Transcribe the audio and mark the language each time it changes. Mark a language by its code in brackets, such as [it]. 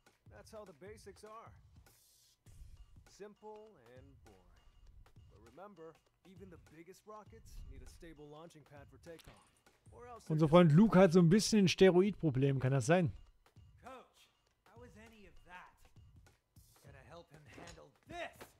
[en] That's how the basics are. Simple and boring. But remember, even the biggest rockets need a stable launching pad for takeoff. Or else [de] unser Freund Luke hat so ein bisschen ein Steroidproblem, kann das sein? [en] Coach, how is any of that gonna help him handle this?